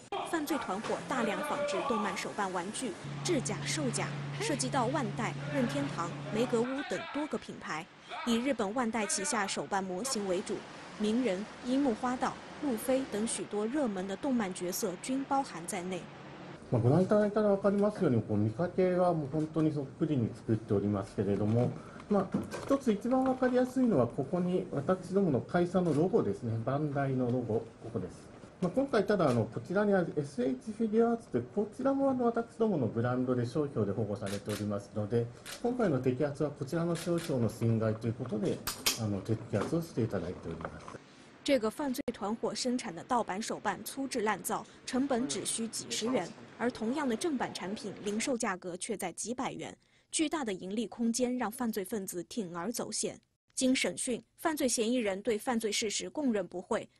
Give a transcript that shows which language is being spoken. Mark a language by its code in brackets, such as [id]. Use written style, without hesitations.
[zh] 犯罪团伙大量仿制动漫手办玩具，制假售假，涉及到万代、任天堂、梅格屋等多个品牌，以日本万代旗下手办模型为主，鸣人、樱木花道、路飞等许多热门的动漫角色均包含在内。 [ja] ご覧いただいたら分かりますように、見かけはもう本当にそっくりに作っておりますけれども、一つ一番分かりやすいのはここに私どもの会社のロゴですね、バンダイのロゴ、ここです。今回ただこちらにある SH フィギュアーツというこちらも私どものブランドで商標で保護されておりますので、今回の摘発はこちらの商標の侵害ということで摘発をしていただいております。 [zh] 这个犯罪团伙生产的盗版手办粗制滥造，成本只需几十元，而同样的正版产品零售价格却在几百元，巨大的盈利空间让犯罪分子铤而走险。经审讯，犯罪嫌疑人对犯罪事实供认不讳。